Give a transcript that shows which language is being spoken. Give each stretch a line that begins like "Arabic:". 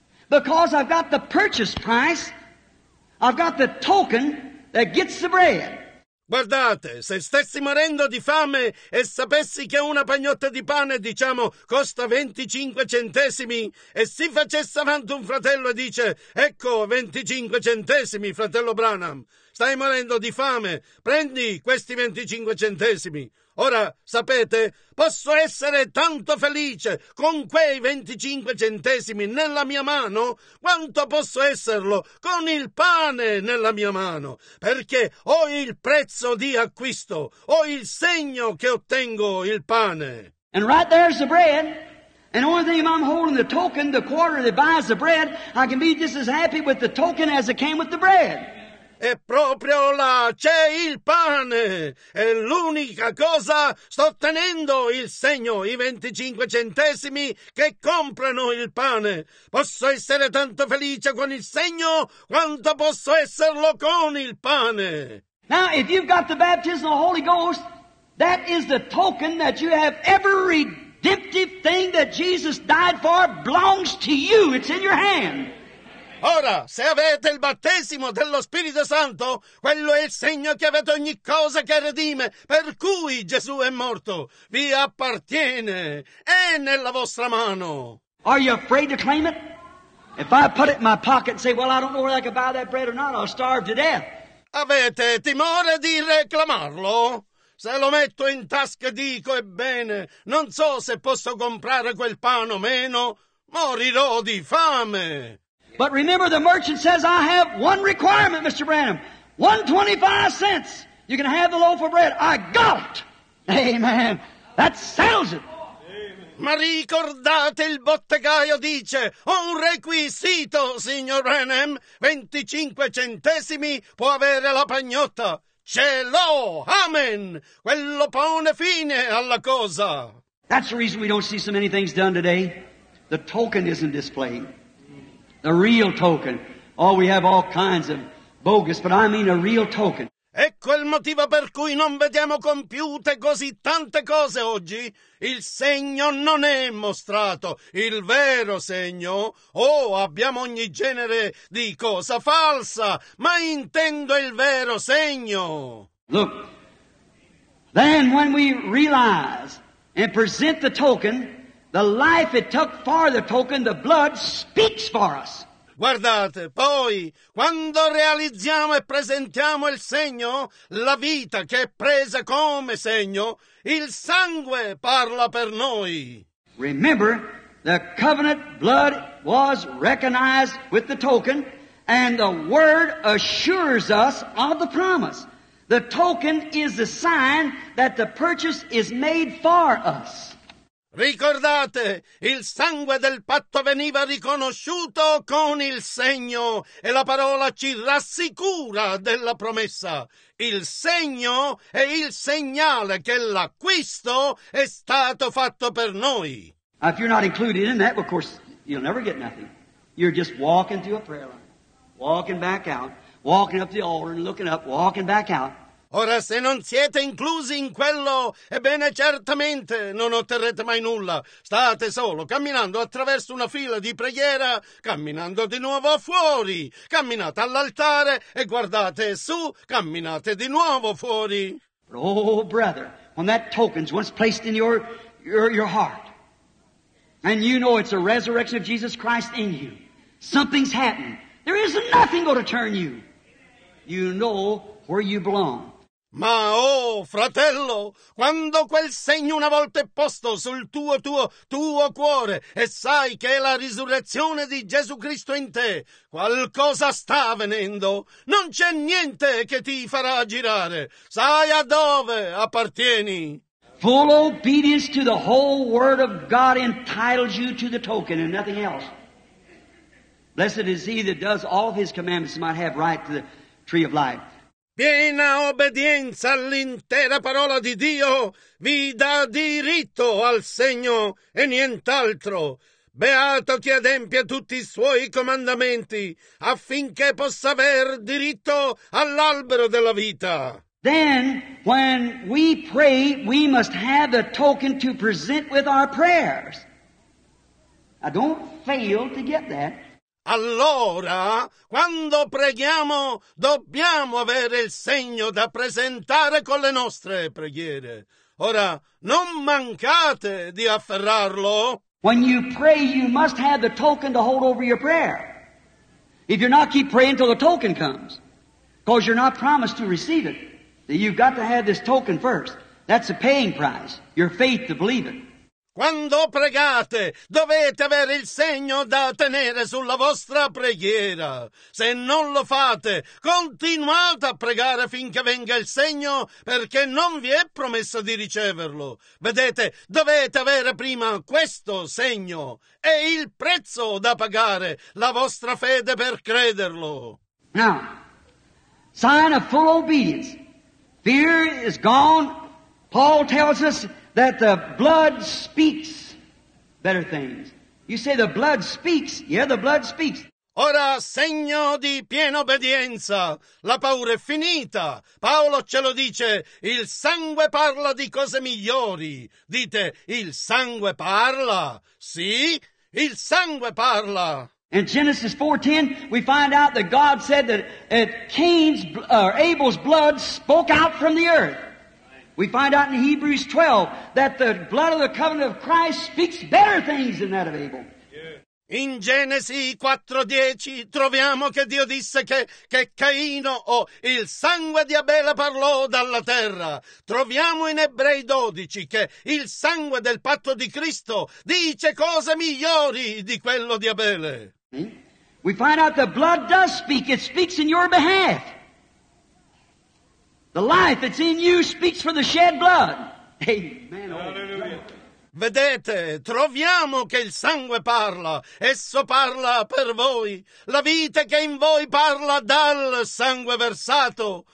English: Because I've got the purchase price, I've got the token that gets the bread.
Italian: Guardate, se stessi morendo di fame e sapessi che una pagnotta di pane, diciamo, costa 25 centesimi, e si facesse avanti un fratello e dice, ecco 25 centesimi, fratello Branham, stai morendo di fame, prendi questi 25 centesimi. Ora, sapete, posso essere tanto felice con quei 25 centesimi nella mia mano quanto posso esserlo con il pane nella mia mano, perché ho il prezzo di acquisto, ho il segno che ottengo il pane.
English: And right there's the bread, and the only thing I'm holding the token, the quarter that buys the bread, I can be just as happy with the token as I came with the bread.
Italian: E proprio là c'è il pane, è l'unica cosa, sto ottenendo il segno, i 25 centesimi che comprano il pane. Posso essere tanto felice con il segno quanto posso esserlo con il pane.
English: Now, if you've got the baptism of the Holy Ghost, that is the token that you have every redemptive thing that Jesus died for belongs to you, it's in your hand.
Italian: Ora, se avete il battesimo dello Spirito Santo, quello è il segno che avete ogni cosa che redime, per cui Gesù è morto. Vi appartiene, è nella vostra mano.
English: Are you afraid to claim it? If I put it in my pocket and say, well, I don't know whether I can buy that bread or not, I'll starve to death.
Italian: Avete timore di reclamarlo? Se lo metto in tasca e dico, ebbene, non so se posso comprare quel pane o meno, morirò di fame.
English: But remember, the merchant says, I have one requirement, Mr. Branham. 125 cents. You can have the loaf of bread. I got it. Amen. That settles it.
Italian: Ma ricordate, il bottegaio dice, ho un requisito, signor Branham. 25 centesimi può avere la pagnotta. Ce l'ho. Amen. Quello pone fine alla cosa.
English: That's the reason we don't see so many things done today. The token isn't displayed. The real token. Oh, we have all kinds of bogus, but I mean a real token.
Italian: Ecco il motivo per cui non vediamo compiute così tante cose oggi. Il segno non è mostrato, il vero segno. Oh, abbiamo ogni genere di cosa falsa, ma intendo il vero segno.
English: Look, then when we realize and present the token, the life it took for the token, the blood speaks for us.
Italian: Guardate, poi, quando realizziamo e presentiamo il segno, la vita che è presa come segno, il sangue parla per noi.
English: Remember, the covenant blood was recognized with the token, and the word assures us of the promise. The token is the sign that the purchase is made for us.
Italian: Ricordate, il sangue del patto veniva riconosciuto con il segno e la parola ci rassicura della promessa. Il segno è il segnale che l'acquisto è stato fatto per noi.
English: If you're not included in that, of course, you'll never get nothing. You're just walking through a prayer line, walking back out, walking up the altar and looking up, walking back out.
Italian: Ora, se non siete inclusi in quello, ebbene certamente non otterrete mai nulla. State solo camminando attraverso una fila di preghiera, camminando di nuovo fuori. Camminate all'altare e guardate su, camminate di nuovo fuori.
English: Oh, brother, when that token's once placed in your heart, and you know it's a resurrection of Jesus Christ in you, something's happened. There is nothing going to turn you. You know where you belong.
Italian: Ma oh, fratello, quando quel segno una volta è posto sul tuo cuore e sai che è la risurrezione di Gesù Cristo in te, qualcosa sta avvenendo. Non c'è niente che ti farà girare. Sai a dove appartieni.
English: Full obedience to the whole word of God entitles you to the token and nothing else. Blessed is he that does all of his commandments might have right to the tree of life.
Italian: Piena obbedienza all'intera parola di Dio vi dà diritto al segno e nient'altro. Beato chi adempia tutti i suoi comandamenti affinché possa aver diritto all'albero della vita.
English: Then, when we pray, we must have a token to present with our prayers. I don't fail to get that.
Italian: Allora, quando preghiamo, dobbiamo avere il segno da presentare con le nostre preghiere. Ora, non mancate di afferrarlo.
English: When you pray, you must have the token to hold over your prayer. If you're not, keep praying until the token comes. Because you're not promised to receive it. You've got to have this token first. That's the paying price, your faith to believe it.
Italian: Quando pregate, dovete avere il segno da tenere sulla vostra preghiera. Se non lo fate, continuate a pregare finché venga il segno, perché non vi è promessa di riceverlo. Vedete, dovete avere prima questo segno. È il prezzo da pagare, la vostra fede per crederlo.
English: Now, sign of full obedience. Fear is gone. Paul tells us that the blood speaks better things. You say the blood speaks. Yeah, the blood speaks.
Italian: Ora, segno di piena obbedienza. La paura è finita. Paolo ce lo dice. Il sangue parla di cose migliori. Dite, il sangue parla. Sì, il sangue parla.
English: In Genesis 4:10, we find out that God said that Cain's or Abel's blood spoke out from the earth. We find out in Hebrews 12 that the blood of the covenant of Christ speaks better things than that of Abel.
Italian: In Genesi 4:10 troviamo che Dio disse che Caino il sangue di Abele parlò dalla terra. Troviamo in Ebrei 12 che il sangue del patto di Cristo dice cose migliori di quello di Abele.
English: We find out the blood does speak. It speaks in your behalf. The life that's in you speaks for the shed blood. Amen.
Italian: Vedete, troviamo che il sangue parla. Esso parla per voi. La vita che in voi parla dal sangue versato.